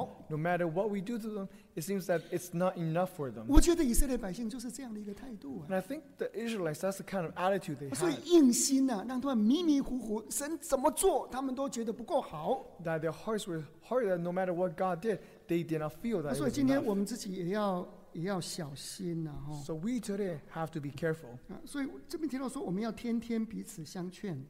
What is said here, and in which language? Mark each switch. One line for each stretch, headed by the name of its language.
English: No matter what we do to them, it seems that it's not enough for them.
Chinese: 我觉得以色列百姓就是这样的一个态度啊。
English: And I think the Israelites, that's the kind of attitude they had.
Chinese: 所以硬心啊，让他们迷迷糊糊，神怎么做他们都觉得不够好。
English: That their hearts were hard, that no matter what God did, they did not feel that.
Chinese: 所以今天我们自己也要小心啊。
English: So we today have to be careful.
Chinese: 所以这边提到说，我们要天天彼此相劝。